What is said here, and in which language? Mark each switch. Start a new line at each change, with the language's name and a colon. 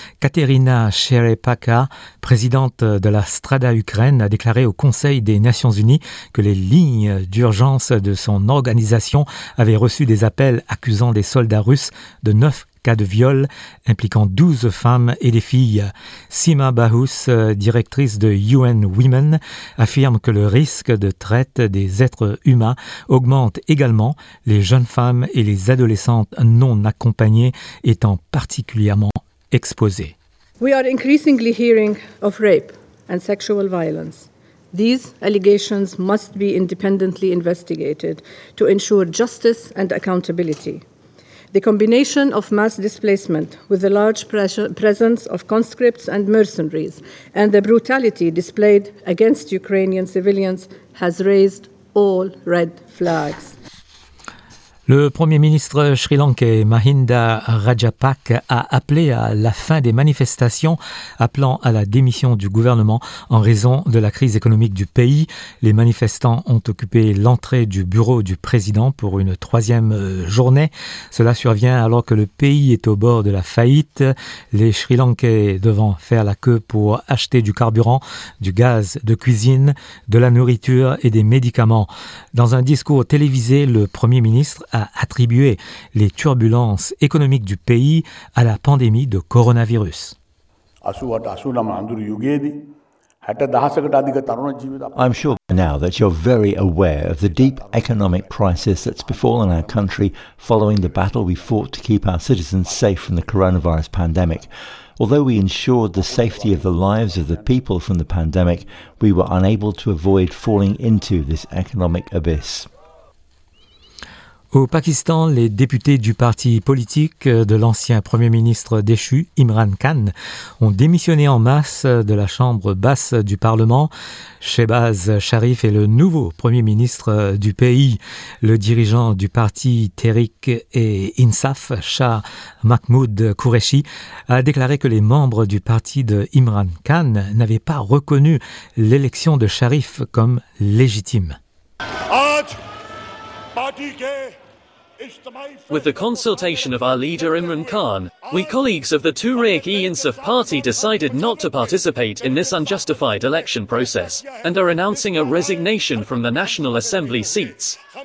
French: Katerina Cherepaka, présidente de la Strada Ukraine, a déclaré au Conseil des Nations Unies que les lignes d'urgence de son organisation avaient reçu des appels accusant des soldats russes de 9 cas de viol impliquant 12 femmes et des filles. Sima Bahous, directrice de UN Women, affirme que le risque de traite des êtres humains augmente également, les jeunes femmes et les adolescentes non accompagnées étant particulièrement exposées.
English: We are increasingly hearing of rape and sexual violence. These allegations must be independently investigated to ensure justice and accountability. The combination of mass displacement with the large presence of conscripts and mercenaries and the brutality displayed against Ukrainian civilians has raised all red flags.
French: Le Premier ministre Sri Lankais Mahinda Rajapaksa a appelé à la fin des manifestations appelant à la démission du gouvernement en raison de la crise économique du pays. Les manifestants ont occupé l'entrée du bureau du président pour une troisième journée. Cela survient alors que le pays est au bord de la faillite. Les Sri Lankais devant faire la queue pour acheter du carburant, du gaz de cuisine, de la nourriture et des médicaments. Dans un discours télévisé, le Premier ministre a attribué les turbulences économiques du pays à la pandémie de coronavirus.
English: I'm sure now that you're very aware of the deep economic crisis that's befallen our country following the battle we fought to keep our citizens safe from the coronavirus pandemic. Although we ensured the safety of the lives of the people from the pandemic, we were unable to avoid falling into this economic abyss.
French: Au Pakistan, les députés du parti politique de l'ancien Premier ministre déchu, Imran Khan, ont démissionné en masse de la chambre basse du Parlement. Shehbaz Sharif est le nouveau Premier ministre du pays. Le dirigeant du parti Tehrik-e-Insaf, Shah Mahmoud Qureshi, a déclaré que les membres du parti de Imran Khan n'avaient pas reconnu l'élection de Sharif comme légitime.
English: With the consultation of our leader Imran Khan, we colleagues of the Tehrik-e-Insaf party decided not to participate in this unjustified election process and are announcing a resignation from the National Assembly seats.